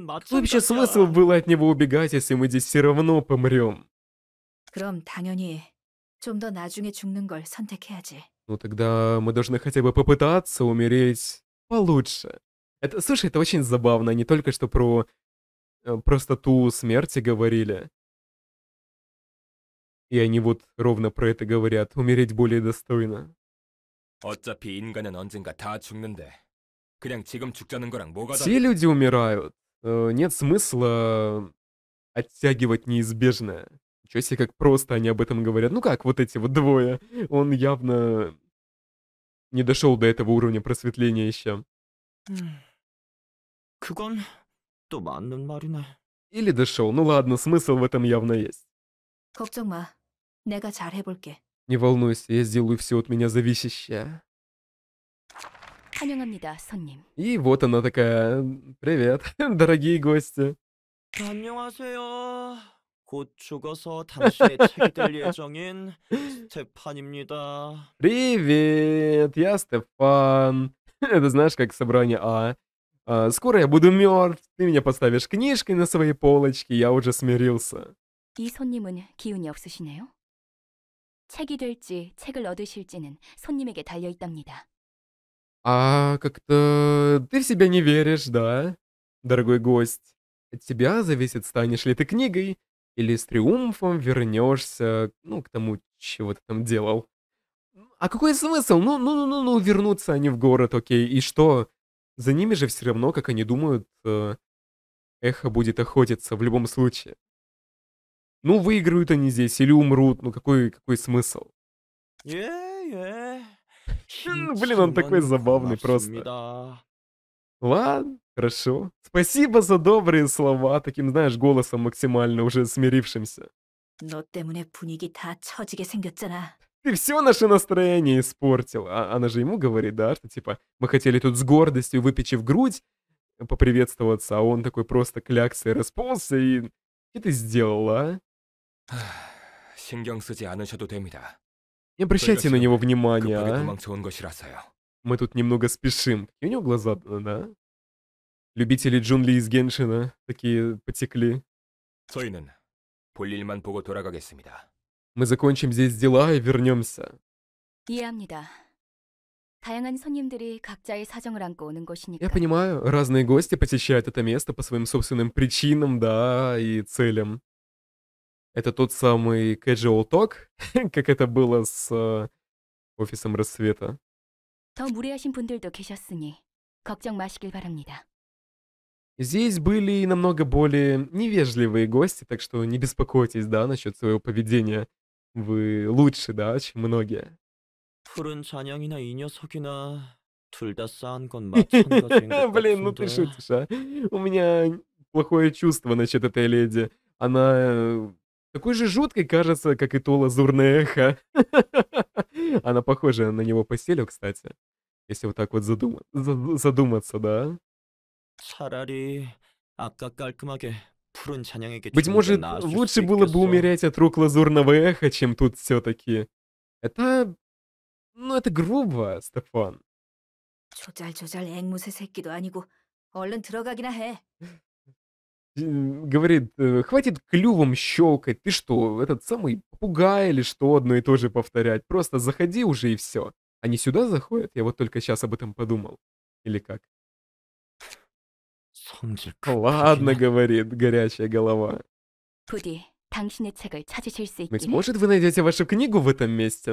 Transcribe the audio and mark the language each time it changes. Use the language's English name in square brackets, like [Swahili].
[Russian] Вообще смысл было от него убегать, если мы здесь все равно помрем? [Korean] 그럼 당연히 좀 더 나중에 죽는 걸 선택해야지. [Russian] Ну тогда мы должны хотя бы попытаться умереть получше. Это, слушай, это очень забавно. Не только что про простоту смерти говорили. И они вот ровно про это говорят. Умереть более достойно. [Korean] 어차피 인간은 언젠가 다 죽는데 그냥 지금 죽자는 거랑 뭐가 다른? [Russian] Все люди умирают. Нет смысла оттягивать неизбежное. Чё себе, как просто они об этом говорят. Ну как, вот эти вот двое. Он явно не дошел до этого уровня просветления еще. [Korean] 그건 또 맞는 말이네. [Russian] Или дошел. Ну ладно, смысл в этом явно есть. [Korean] 걱정 마. 내가 잘 해볼게. [Russian] Не волнуйся, я сделаю все от меня зависящее. [Korean] 환영합니다, 손님. [Russian] И вот она такая. Привет, дорогие гости. [Korean] 안녕하세요, 곧 죽어서 당신의 책이 될 예정인 스테판입니다. [Russian] Привет, я Стефан. Это знаешь, как собрание А. Скоро я буду мертв, ты меня поставишь книжкой на своей полочке, я уже смирился. [Korean] 이 손님은 기운이 없으시네요. 책이 될지 책을 얻으실지는 손님에게 달려 있답니다. [Russian] 아, как-то ты в себя не веришь, да, дорогой гость? От тебя зависит, станешь ли ты книгой или с триумфом вернешься, ну, к тому, чего ты там делал. А какой смысл? Ну, вернутся они в город, окей, и что? За ними же все равно, как они думают, эхо будет охотиться в любом случае. Ну, выиграют они здесь или умрут, ну какой смысл? Блин, он такой забавный просто. Ладно, хорошо. Спасибо за добрые слова, таким, знаешь, голосом максимально уже смирившимся. Ты все наше настроение испортил. А она же ему говорит, да, что типа мы хотели тут с гордостью, выпечив грудь, поприветствоваться, а он такой просто кляксой расползся и... Что ты сделал, а? [Korean] 신경 쓰지 않으셔도 됩니다. [Russian] Не обращайте на него внимания, а? Мы тут немного спешим. И у него глаза, да? Любители джунглей из Геншина такие потекли. [Korean] 저희는 볼 일만 보고 돌아가겠습니다. [Russian] Мы закончим здесь дела и вернемся. [Korean] 이해합니다. 다양한 손님들이 각자의 사정을 안고 오는 곳이니까. [Russian] Я понимаю, разные гости посещают это место по своим собственным причинам, да, и целям. Это тот самый [English] casual talk, [Russian] как это было с офисом рассвета. [Korean] 더 무례하신 분들도 계셨으니 걱정 마시길 바랍니다. [Russian] Здесь были намного более невежливые гости, так что не беспокойтесь, да, насчет своего поведения. Вы лучше, да, чем многие. [Korean] 푸른 잔향이나 이 녀석이나 둘 다 싸한 건 마찬가지인가? [Russian] Блин, ну ты шутишь, а? У меня плохое чувство насчет этой леди. Она такой же жуткой кажется, как и то лазурное эхо. Она похожа на него по стилю, кстати. Если вот так вот задуматься, да? [Korean] 차라리 아까 깔끔하게 푸른 잔향에게 [Russian] Быть может, лучше было бы умереть от рук лазурного эха, чем тут все-таки. Это... Ну, это грубо, Стефан. [Korean] 조잘조잘 앵무새 새끼도 아니고 얼른 들어가기나 해. [Russian] Говорит, хватит клювом щелкать. Ты что, этот самый попугай или что, одно и то же повторять? Просто заходи уже и все. Они сюда заходят? Я вот только сейчас об этом подумал. Или как? Ладно, говорит горячая голова. Может, вы найдете вашу книгу в этом месте?